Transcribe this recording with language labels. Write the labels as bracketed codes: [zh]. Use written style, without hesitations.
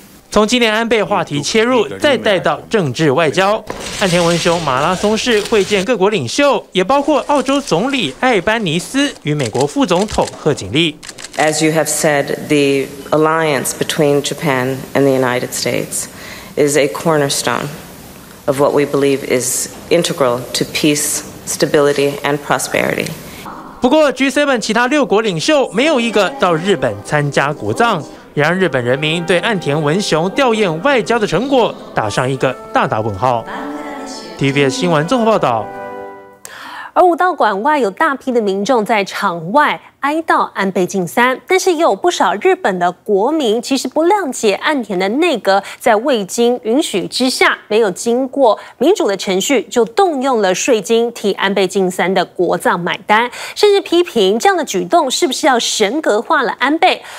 [zh] 从今年安倍话题切入，再带到政治外交，岸田文雄马拉松式会见各国领袖，也包括澳洲总理艾班尼斯与美国副总统贺锦丽。 [en] As you have said, the alliance between Japan and the United States is a cornerstone of what we believe is integral to peace, stability, and prosperity. [zh] 不过 G7 其他六国领袖没有一个到日本参加国葬，也让日本人民对岸田文雄吊唁外交的成果打上一个大大问号。 TVBS 新闻综合报道。而武道馆外有大批的民众在场外哀悼安倍晋三，但是也有不少日本的国民其实不谅解岸田的内阁在未经允许之下，没有经过民主的程序就动用了税金替安倍晋三的国葬买单，甚至批评这样的举动是不是要神格化了安倍。